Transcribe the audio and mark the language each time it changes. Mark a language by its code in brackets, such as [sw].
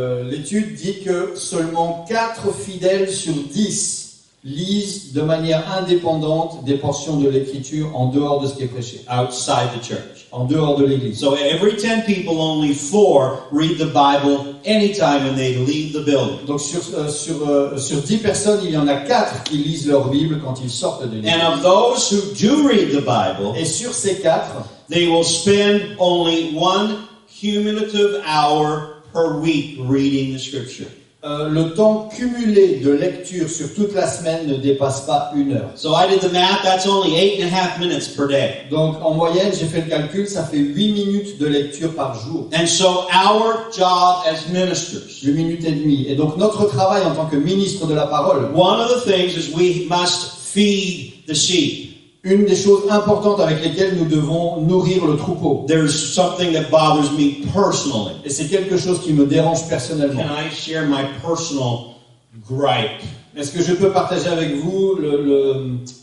[fr] L'étude dit que seulement 4 fidèles sur 10 lisent de manière indépendante des portions de l'écriture en dehors de ce qui est prêché. [en] Outside the church. [fr] En dehors de l'église. [en] So every 10 people, only 4 read the Bible anytime when they leave the building. [fr] Donc sur 10 personnes, il y en a 4 qui lisent leur Bible quand ils sortent de l'église. [en] And of those who do read the Bible, [fr] et sur ces 4, [en] they will spend only 1 cumulative hour per week reading the scripture. [fr] Le temps cumulé de lecture sur toute la semaine ne dépasse pas une heure. [en] So I did the math, that's only 8.5 minutes per day. [fr] Donc en moyenne, j'ai fait le calcul, ça fait 8 minutes de lecture par jour. [en] And so our job as ministers, [fr] 8 minutes et demie. Et donc notre travail en tant que ministre de la parole, [en] one of the things is we must feed the sheep. [fr] Une des choses importantes avec lesquelles nous devons nourrir le troupeau. [en] There's something that bothers me personally. [fr] Et c'est quelque chose qui me dérange personnellement. [en] Can I share my personal gripe? [fr] Est-ce que je peux partager avec vous le